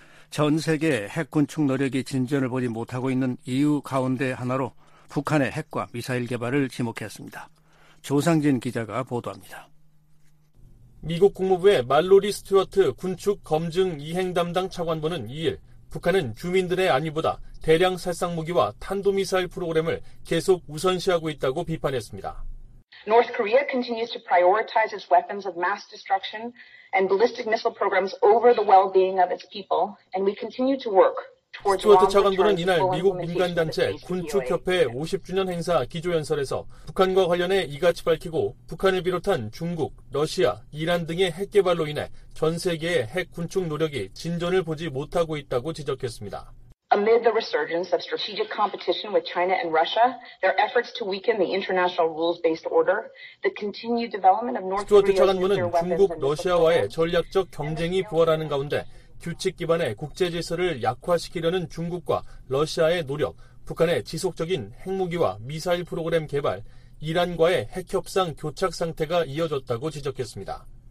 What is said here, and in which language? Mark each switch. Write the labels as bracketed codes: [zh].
[ko] 전 세계 핵 군축 노력이 진전을 보지 못하고 있는 이유 가운데 하나로 북한의 핵과 미사일 개발을 지목했습니다. 조상진 기자가 보도합니다. 미국 국무부의 말로리 스튜어트 군축 검증 이행 담당 차관보는 2일 북한은 주민들의 안위보다 대량 살상 무기와 탄도미사일 프로그램을 계속 우선시하고 있다고 비판했습니다. [en] North Korea continues to prioritize its weapons of mass destruction and ballistic missile programs over the well-being of its people, and we continue to work towards. [ko] 스튜어트 차관부는 이날 미국 민간 단체 군축협회 50주년 행사 기조연설에서 북한과 관련해 이같이 밝히고 북한을 비롯한 중국, 러시아, 이란 등의 핵 개발로 인해 전 세계의 핵 군축 노력이 진전을 보지 못하고 있다고 지적했습니다. [en] Amid the resurgence of strategic competition with China and Russia, their efforts to weaken the international rules-based order, the continued development of North Korea's nuclear weapons. [ko] 중국, 러시아와의 전략적 경쟁이 부활하는 가운데 규칙 기반의 국제 질서를 약화시키려는 중국과 러시아의 노력, 북한의 지속적인 핵무기와 미사일 프로그램 개발, 이란과의 핵 협상 교착 상태가 이어졌다고 지적했습니다.